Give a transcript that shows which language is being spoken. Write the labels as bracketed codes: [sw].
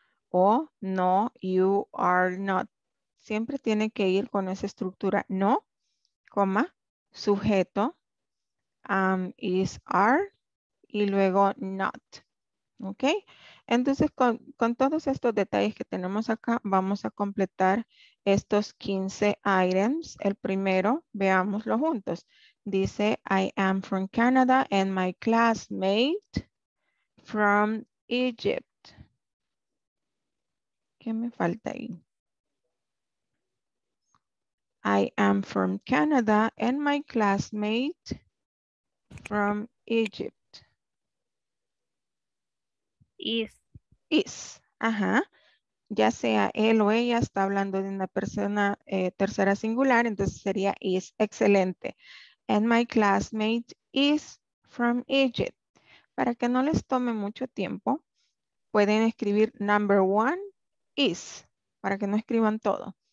[es] O no, [en] you are not. [es] Siempre tiene que ir con esa estructura, no, coma, sujeto, is, are, y luego not. ¿Ok? Entonces, con todos estos detalles que tenemos acá, vamos a completar estos 15 items. El primero, veámoslo juntos. Dice, [en] I am from Canada and my classmate from Egypt. [es] ¿Qué me falta ahí? [en] I am from Canada and my classmate from Egypt. Is. [es] Ajá. Ya sea él o ella está hablando de una persona tercera singular, entonces sería is. Excelente. [en] And my classmate is from Egypt. [es] Para que no les tome mucho tiempo, pueden escribir [en] number one, is, [es] para que no escriban todo.